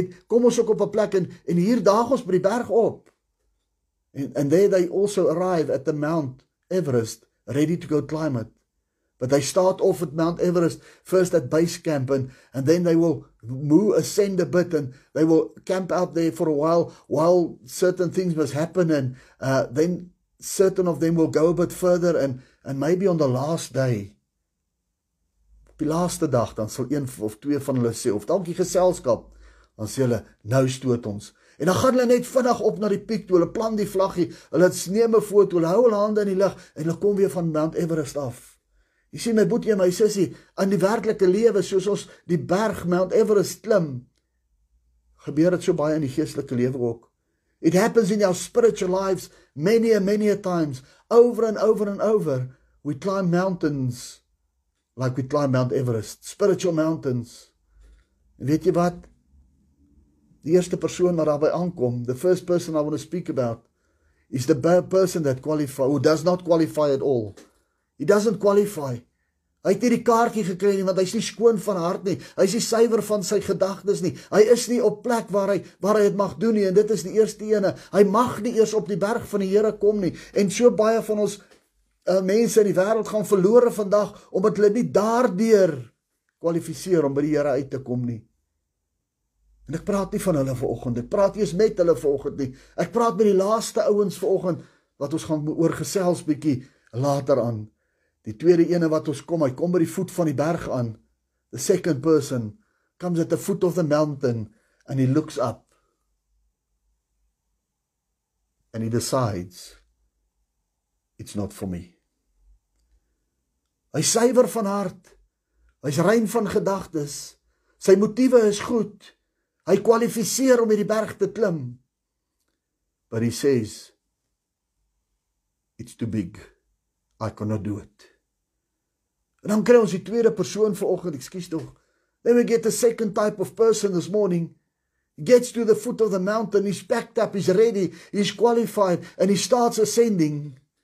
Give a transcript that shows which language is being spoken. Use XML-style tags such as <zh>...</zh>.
<af>Kom ons ook op 'n plek en hier daag ons by die berg op.</af> <en>And there they also arrive at the Mount Everest, ready to go climb it. But they start off at Mount Everest, first at base camp, and then they will move, ascend a bit, and they will camp out there for a while certain things must happen, and then certain of them will go a bit further, and maybe on the last day,</en> <af>die laaste dag, dan sal een of twee van hulle sê, of dankie geselskap, dan sê hulle, nou stoot ons. En dan gaan hulle net vinnig op na die piek toe, hulle plant die vlaggie, hulle neem 'n foto, hulle hou hulle hande in die lug, en hulle kom weer van Mount Everest af. Jy sien my boetie en my sussie, in die werklike lewe, soos ons die berg Mount Everest klim, gebeur het so baie in die geestelike lewe ook.</af> <en>It happens in our spiritual lives many and many a times, over and over and over, we climb mountains, like we climb Mount Everest, spiritual mountains.</en> <af>En weet jy wat? Die eerste persoon wat daarby aankom,</af> <en>the first person I want to speak about, is the person that qualify, who does not qualify at all. He doesn't qualify.</en> <af>Hy het nie die kaartjie gekry nie, want hy is nie skoon van hart nie. Hy is nie suiwer van sy gedagtes nie. Hy is nie op plek waar hy het mag doen nie, en dit is die eerste ene. Hy mag nie eers op die berg van die Here kom nie. En so baie van ons mense in die wêreld gaan verlore vandag, omdat hulle nie daardeur kwalifiseer om by die Here uit te kom nie. En ek praat nie van hulle vanoggend, ek praat nie eens met hulle vanoggend nie. Ek praat met die laaste ouens vanoggend, wat ons gaan oor gesels bietjie later aan. Die tweede ene wat ons kom, hy kom by die voet van die berg aan.</af> <en>The second person comes at the foot of the mountain and he looks up. And he decides, it's not for me.</en> <af>Hy is suiwer van hart, hy is rein van gedagtes, sy motiewe is goed, hy kwalifiseer om hierdie berg te klim.</af> <en>But he says, it's too big, I cannot do it.</en> <af>En dan kry ons die tweede persoon vanoggend, ekskuus tog.</af> <en>Then we get the second type of person this morning. He gets to the foot of the mountain, he's packed up, he's ready, he's qualified, and he starts ascending.</en>